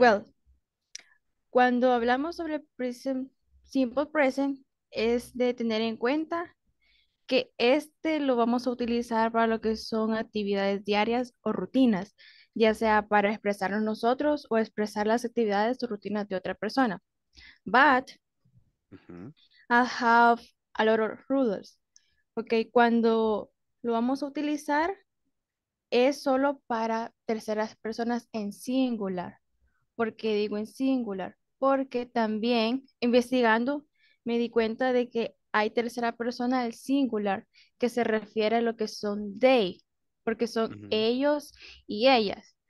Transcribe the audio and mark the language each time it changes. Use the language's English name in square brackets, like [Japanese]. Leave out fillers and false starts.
[Spanish] Well, cuando hablamos sobre simple present, es de tener en cuenta que este lo vamos a utilizar para lo que son actividades diarias o rutinas, ya sea para expresarnos nosotros o expresar las actividades o rutinas de otra persona. [English] But, I have a lot of rules, okay? [Spanish] Cuando lo vamos a utilizar, es solo para terceras personas en singular. ¿Por qué digo en singular? Porque también investigando me di cuenta de que hay tercera persona del singular que se refiere a lo que son they, porque son ellos y ellas.